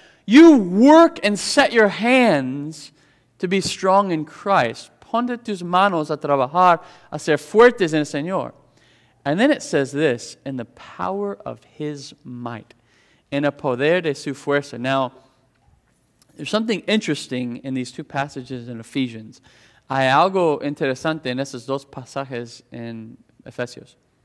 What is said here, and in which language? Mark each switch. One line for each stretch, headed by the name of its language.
English: You work and set your hands to be strong in Christ.
Spanish: Ponte tus manos a trabajar, a ser fuertes en el Señor.
English: And then it says this, in the power of his might.
Spanish: En el poder de su fuerza.
English: Now, there's something interesting in these two passages in Ephesians.
Spanish: Hay algo interesante en esos dos pasajes en Efesios.